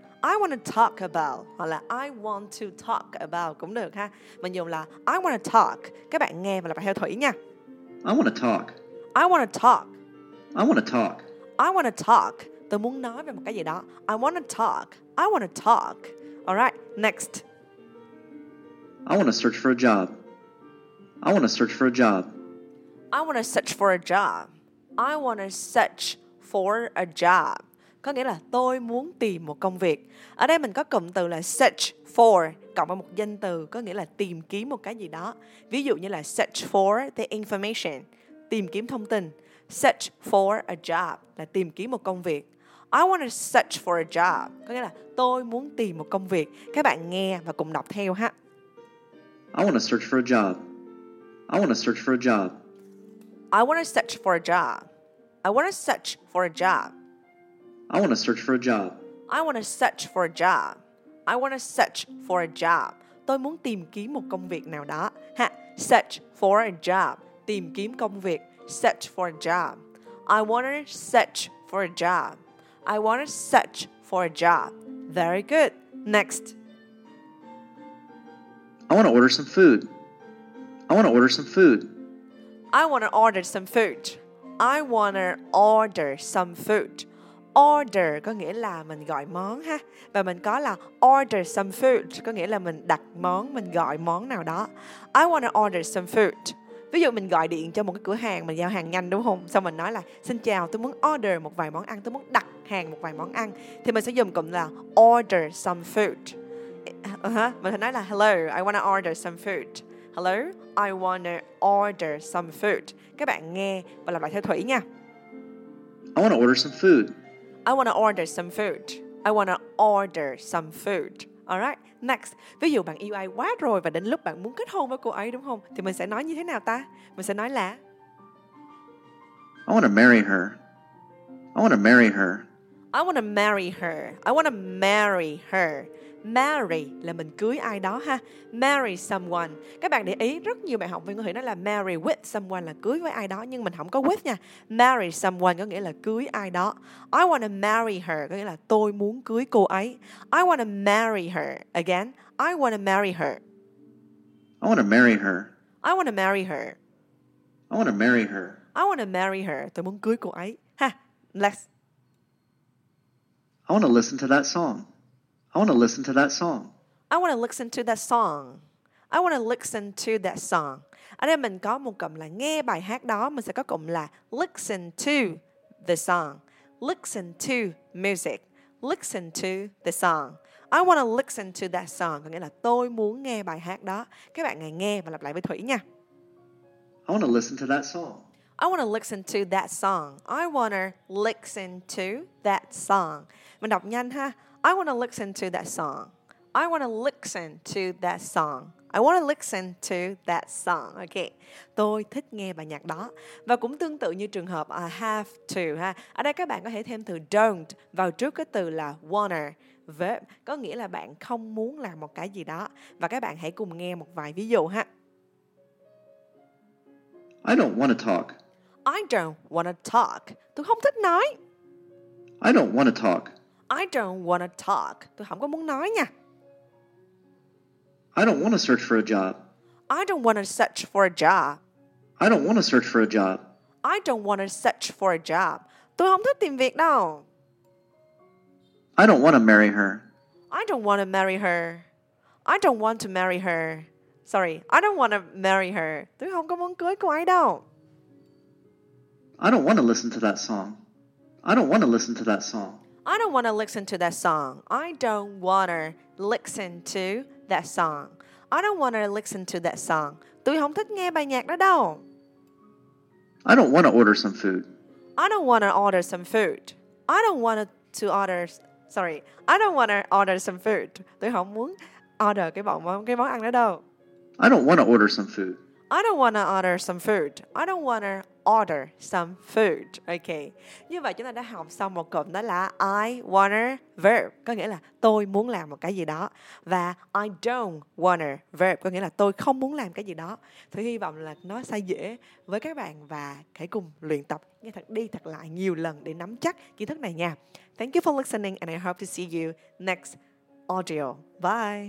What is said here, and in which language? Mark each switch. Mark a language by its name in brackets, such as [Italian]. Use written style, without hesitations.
[English] I want to talk about. [Vietnamese] Hoặc là [English] I want to talk about [Vietnamese] cũng được ha. Mình dùng là [English] I want to talk. [Vietnamese] Các bạn nghe và lặp theo Thủy nha. [English] I want to talk. I want to talk. I want to talk. I want to talk. [Vietnamese] Tôi muốn nói về một cái gì đó. [English] I want to talk. I want to talk. All right, next. I want to search for a job. I want to search for a job. I want to search for a job. I want to search for a job. [Vietnamese] Có nghĩa là tôi muốn tìm một công việc. Ở đây mình có cụm từ là search for cộng với một danh từ có nghĩa là tìm kiếm một cái gì đó. Ví dụ như là [English] search for the information, [Vietnamese] tìm kiếm thông tin. [English] Search for a job [Vietnamese] là tìm kiếm một công việc. [English] I want to search for a job. [Vietnamese] Có nghĩa là tôi muốn tìm một công việc. Các bạn nghe và cùng đọc theo ha. [English] I want to search for a job. I want to search for a job. I want to search for a job. I want to search for a job. I want to search for a job. I want to search for a job. I want to search for a job. [Vietnamese] Tôi muốn tìm kiếm một công việc nào đó ha. [English] Search for a job. [Vietnamese] Tìm kiếm công việc. [English] Search for a job. I want to search for a job. I want to search for a job. Very good. Next. I want to order some food. I want to order some food. I want to order some food. I want to order some food. [Vietnamese] Order có nghĩa là mình gọi món ha. Và mình có là [English] order some food [Vietnamese] có nghĩa là mình đặt món, mình gọi món nào đó. [English] I want to order some food. [Vietnamese] Ví dụ mình gọi điện cho một cái cửa hàng, mình giao hàng nhanh đúng không? Xong mình nói là xin chào, tôi muốn order một vài món ăn, tôi muốn đặt hàng một vài món ăn. Thì mình sẽ dùng cụm là [English] order some food. [Vietnamese] Mình sẽ nói là [English] hello, I want to order some food. Hello, I want to order some food. [Vietnamese] Các bạn nghe và lặp lại theo Thủy nha. [English] I want to order some food. I want to order some food. I want to order some food. Alright, next. [Vietnamese] Ví dụ bạn yêu ai quá rồi và đến lúc bạn muốn kết hôn với cô ấy đúng không? Thì mình sẽ nói như thế nào ta? Mình sẽ nói là [English] I want to marry her. I want to marry her. I want to marry her. I want to marry her. [Vietnamese] Marry là mình cưới ai đó ha. [English] Marry someone. [Vietnamese] Các bạn để ý rất nhiều bạn học viên có thể nói là [English] marry with someone [Vietnamese] là cưới với ai đó. Nhưng mình không có with nha. [English] Marry someone [Vietnamese] có nghĩa là cưới ai đó. [English] I want to marry her [Vietnamese] có nghĩa là tôi muốn cưới cô ấy. [English] I want to marry her. Again, I want to marry her. I want to marry her. I want to marry her. I want to marry her. I want to marry her. [Vietnamese] Tôi muốn cưới cô ấy. [English] Ha, let's. I want to listen to that song. I want to listen to that song. I want to listen to that song. I want to listen to that song. [Vietnamese] Ở đây mình có một cụm là nghe bài hát đó, mình sẽ có cụm là [English] listen to the song. Listen to music. Listen to the song. I want to listen to that song. [Vietnamese] Có nghĩa là tôi muốn nghe bài hát đó. Các bạn hãy nghe và lặp lại với Thủy nha. [English] I want to listen to that song. I want to listen to that song. I want to listen to that song. [Vietnamese] Mình đọc nhanh ha. [English] I want to listen to that song. I want to listen to that song. I want to listen to that song. Okay. [Vietnamese] Tôi thích nghe bài nhạc đó. Và cũng tương tự như trường hợp [English] I have to [Vietnamese] ha. Ở đây các bạn có thể thêm từ don't vào trước cái từ là wanna. Verb có nghĩa là bạn không muốn làm một cái gì đó. Và các bạn hãy cùng nghe một vài ví dụ ha. [English] I don't want to talk. I don't want to talk. [Vietnamese] Tôi không thích nói. [English] I don't want to talk. I don't want to talk. [Vietnamese] Tôi không có muốn nói nha. [English] I don't want to search for a job. I don't want to search for a job. I don't want to search for a job. I don't want to search for a job. [Vietnamese] Tôi không thích tìm việc đâu. [English] I don't want to marry her. I don't want to marry her. I don't want to marry her. Sorry, I don't want to marry her. [Vietnamese] Tôi không có muốn cưới cô ấy đâu. [English] I don't want to listen to that song. I don't want to listen to that song. I don't want to listen to that song. I don't want to listen to that song. I don't want to listen to that song. [Vietnamese] Tôi không thích nghe bài nhạc đó đâu. [English] I don't want to order some food. I don't want to order some food. I don't want to order. Sorry, I don't want to order some food. [Vietnamese] Tôi không muốn order cái món ăn đó đâu. [English] I don't want to order some food. I don't want to order some food. I don't want to order some food. Okay. [Vietnamese] Như vậy chúng ta đã học xong một cụm đó là [English] I want a verb, [Vietnamese] có nghĩa là tôi muốn làm một cái gì đó. Và [English] I don't want a verb, [Vietnamese] có nghĩa là tôi không muốn làm cái gì đó. Thì hy vọng là nó sẽ dễ với các bạn và hãy cùng luyện tập nghe thật đi thật lại nhiều lần để nắm chắc kiến thức này nha. [English] Thank you for listening and I hope to see you next audio. Bye.